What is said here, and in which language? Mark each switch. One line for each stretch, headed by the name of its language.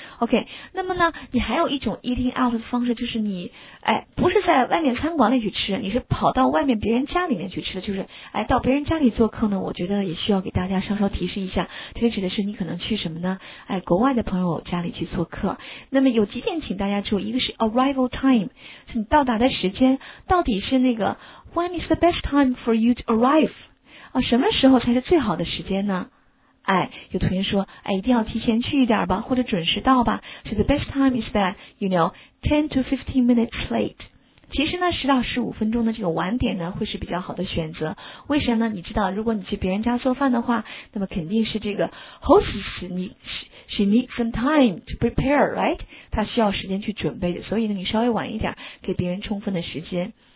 Chinese: OK， 那么呢你还有一种 eating out 的方式，就是你哎不是在外面餐馆里去吃，你是跑到外面别人家里面去吃的，就是哎到别人家里做客呢，我觉得也需要给大家稍稍提示一下，特别指的是你可能去什么呢，哎国外的朋友家里去做客。那么有几点请大家注意，一个是 arrival time， 是你到达的时间，到底是那个
English: when is the best time for you to arrive，
Chinese: 啊什么时候才是最好的时间呢？哎，有同学说，哎，一定要提前去一点吧，或者准时到吧。
English: So the best time is that you know 10 to 15 minutes late。
Chinese: 其实呢，10到15分钟的这个晚点呢，会是比较好的选择。为什么呢？你知道，如果你去别人家做饭的话，那么肯定是这个
English: hostess she needs some time to prepare, right?
Chinese: 她需要时间去准备的，所以呢，你稍微晚一点，给别人充分的时间。